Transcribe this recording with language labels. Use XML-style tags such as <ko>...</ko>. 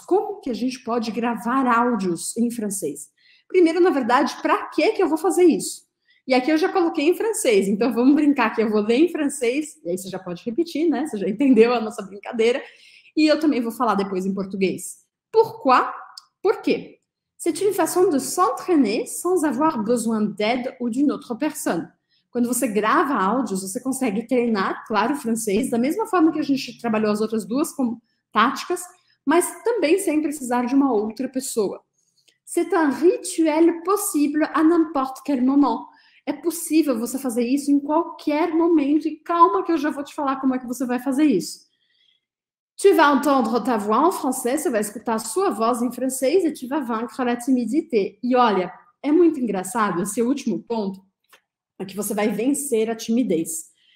<pt>Como que a gente pode gravar áudios em francês? Primeiro, na verdade, para que eu vou fazer isso? E aqui eu já coloquei em francês, então vamos brincar que eu vou ler em francês, e aí você já pode repetir, né? Você já entendeu a nossa brincadeira, e eu também vou falar depois em português.</pt> <fr>Pourquoi?</fr> <pt>Por quê?</pt> <fr>C'est une façon de s'entraîner sans avoir besoin d'aide ou d'une autre personne.</fr> <pt>Quando você grava áudios, você consegue treinar, claro, o francês, da mesma forma que a gente trabalhou as outras duas como táticas, mas também sem precisar de uma outra pessoa.</pt> <fr>C'est un rituel possible à n'importe quel moment.</fr> <pt>É possível você fazer isso em qualquer momento e calma que eu já vou te falar como é que você vai fazer isso.</pt> <fr>Tu vas entendre ta voix en français,</fr> <pt>você vai escutar a sua voz em francês</pt> <fr>e tu vas vaincre la timidité.</fr> <pt>E olha, é muito engraçado, esse último ponto é que você vai vencer a timidez.</pt>